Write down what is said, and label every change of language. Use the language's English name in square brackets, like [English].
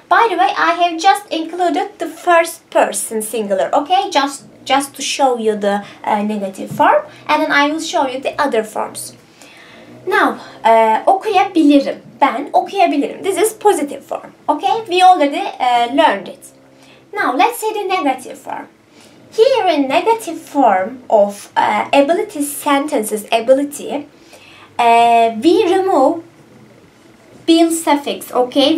[English] By the way, I have just included the first person singular, okay? Just to show you the negative form, and then I will show you the other forms. [Turkish] Now, okuyabilirim, ben okuyabilirim. [English] This is positive form, okay? We already learned it. Now, let's say the negative form. Here in negative form of ability sentences, ability, we remove bil suffix, okay?